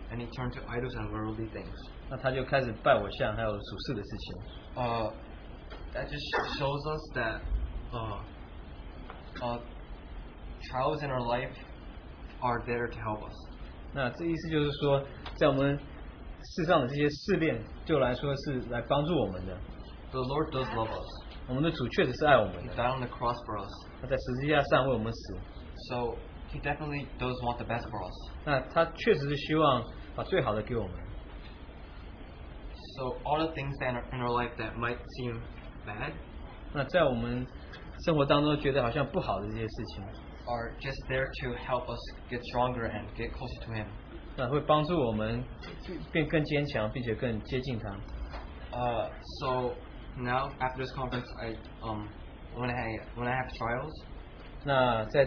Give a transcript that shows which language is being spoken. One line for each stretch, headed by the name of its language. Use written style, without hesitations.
English: And he turned to idols and worldly things.
Chinese: 那他就开始拜偶像，还有属世的事情。
English: That just shows us that trials in our life are there to help us.
Chinese: 那这意思就是说，在我们世上的这些试炼，就来说是来帮助我们的。
English: The Lord does love us.
Chinese: 我们的主确实是爱我们的。
English: He died on the cross for us.
Chinese: 他在十字架上为我们死。
English: So He definitely does want the best for us.
Chinese: 那他确实是希望把最好的给我们。
English: So all the things that in our life that might seem bad,
Chinese: 那在我们生活当中觉得好像不好的这些事情,
English: are just there to help us get stronger and get closer to Him.
Chinese: 那会帮助我们变更坚强，并且更接近他。
English: So now after this conference, when I have trials.